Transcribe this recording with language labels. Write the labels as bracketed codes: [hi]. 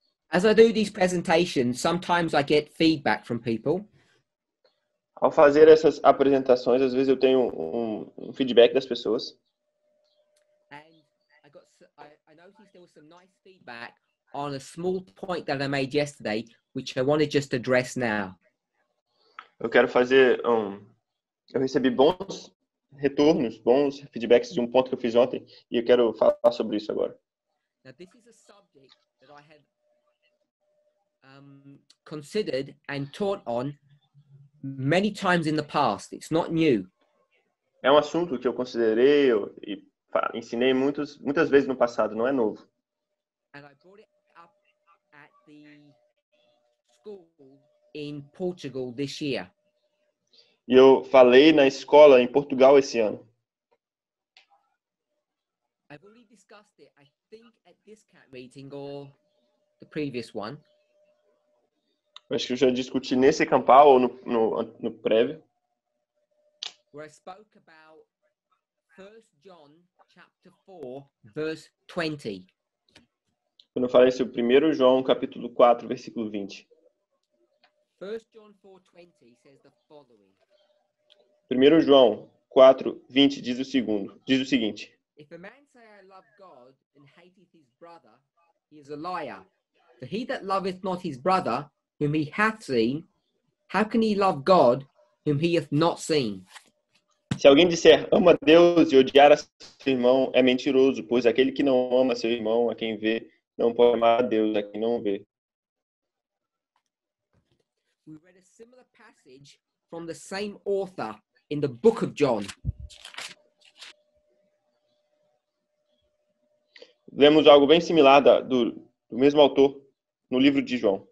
[en] As I do these presentations, sometimes I get feedback from people. [pt] Ao fazer essas apresentações, às vezes eu tenho um feedback das pessoas. [en] I noticed there was some nice feedback on a small point that I made yesterday, which I want to just address now. [pt] Eu quero fazer eu recebi bons retornos, bons feedbacks de um ponto que eu fiz ontem, e eu quero falar sobre isso agora. [en] Now, this is a subject that I had considered and taught on many times in the past. It's not new. [pt] É um assunto que eu considerei e ensinei muitas vezes no passado, não é novo. [en] And I brought it up at the school in Portugal this year. [pt] E eu falei na escola em Portugal esse ano. [en] I've already discussed it, I think, at this cat meeting or the previous one. [pt] Acho que eu já discuti nesse campal ou no prévio. [en] Where I spoke about 1 John chapter 4, verse 20. [pt] Quando eu falei sobre 1 João capítulo 4, versículo 20. [en] 1 John 4, 20 says the following. [pt] 1 João 4, 20 diz o seguinte. [en] If a man say I love loved God and hateth his brother, he is a liar. For he that loveth not his brother, whom he hath seen, how can he love God, whom he hath not seen? [pt] Se alguém disser, ama Deus e odiar a seu irmão, é mentiroso, pois aquele que não ama seu irmão, a quem vê, não pode amar a Deus, a quem não vê. [en] We read a similar passage from the same author in the book of John. [pt] Lemos algo bem similar do mesmo autor no livro de João.